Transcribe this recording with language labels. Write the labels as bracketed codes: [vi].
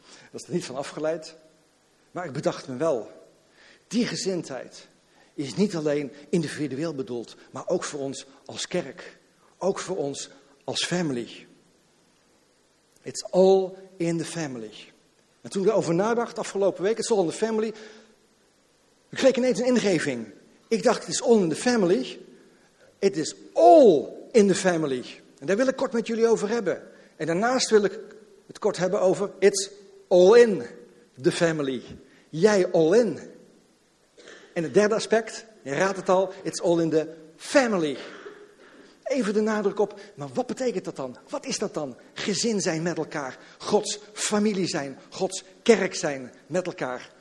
[nl] Dat is er niet van afgeleid, maar ik bedacht me wel. Die gezindheid is niet alleen individueel bedoeld, maar ook voor ons als kerk. Ook voor ons als family. [en] It's all in the family. [nl] En toen ik erover nadacht afgelopen week, [en] it's all in the family. [nl] Ik kreeg ineens een ingeving. Ik dacht, [en] it's all in the family. It is all in the family. [nl] En daar wil ik kort met jullie over hebben. En daarnaast wil ik het kort hebben over [en] it's all in the family. [nl] Jij all in. En het derde aspect, je raadt het al, [en] it's all in the family. [nl] Even de nadruk op, maar wat betekent dat dan? Wat is dat dan? Gezin zijn met elkaar, Gods familie zijn, Gods kerk zijn met elkaar.